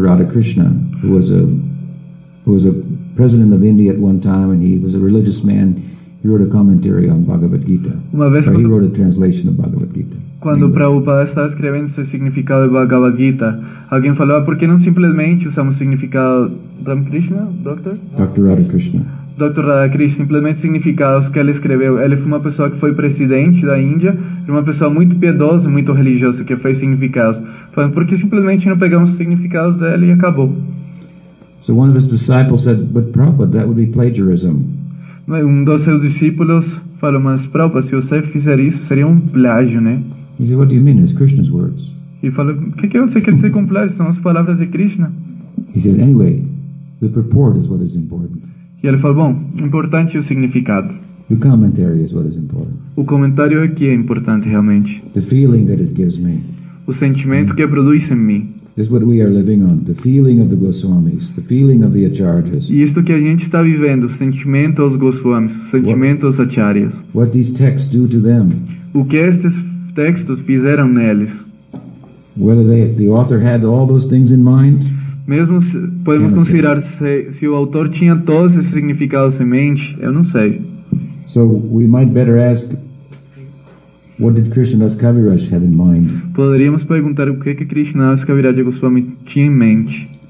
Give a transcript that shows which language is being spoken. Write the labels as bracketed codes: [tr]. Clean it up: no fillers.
[en] Radhakrishna, who was a president of India at one time, and he was a religious man. He wrote a commentary on Bhagavad Gita. [pt] Uma vez [en] he wrote a translation of Bhagavad Gita. [pt] Quando Prabhupada estava escrevendo o significado do Bhagavad Gita, alguém falou, por que não simplesmente usamos o significado Ramakrishna, doctor? [en] Dr. Radhakrishna. [pt] Dr. Radhakrishna, simplesmente significados que ele escreveu. Ele foi uma pessoa que foi presidente da Índia, uma pessoa muito piedosa, muito religiosa, que fez significados. Falando, por que simplesmente não pegamos os significados dele e acabou? [en] So one of his disciples said, but Prabhupada, that would be plagiarism. [pt] Um dos seus discípulos falou, mas Prabhupada, se você fizer isso, seria um plágio, né? [en] He said, what do you mean? It's Krishna's words. [pt] E falou, que você quer dizer com plágio? São as palavras de Krishna. [en] He said, anyway, the purport is what is important. [pt] E ele falou, bom, importante é o significado. [en] The commentary is what is important. [pt] O comentário é que é importante realmente. [en] The feeling that it gives me. [pt] O sentimento que produz em mim. [en] This is what we are living on, the feeling of the Goswamis, the feeling of the acharyas. [pt] E isto que a gente está vivendo, o sentimento aos Goswamis, o sentimento aos acharyas. [en] What these texts do to them. [pt] O que estes textos fizeram neles. [en] Whether the author had all those things in mind. [pt] Mesmo se, podemos considerar se o autor tinha todos esses significados em mente, eu não sei. [en] So we might better ask, what did Krishnadas Kaviraj have in mind? [pt] Poderíamos perguntar o que Krishnadas Kaviraj Goswami tinha em mente.